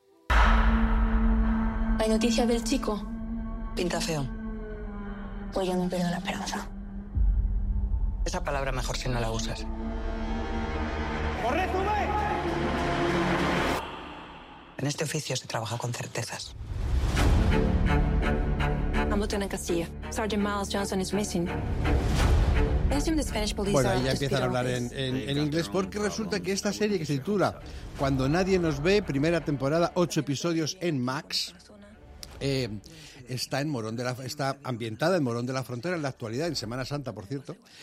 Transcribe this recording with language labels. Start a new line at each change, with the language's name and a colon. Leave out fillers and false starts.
Spanish: Hay noticias del chico. Pinta feo. Pues yo no pierdo la esperanza. Esa palabra mejor si no la usas. ¡Corre, sube! En este oficio se trabaja con certezas.
English: I'm Lieutenant Castillo. Sergeant Miles Johnson is missing.
Spanish: Bueno, ahí ya empiezan a hablar en inglés porque resulta que esta serie que se titula Cuando Nadie Nos Ve, primera temporada, 8 episodios en Max, está ambientada en Morón de la Frontera en la actualidad, en Semana Santa, por cierto.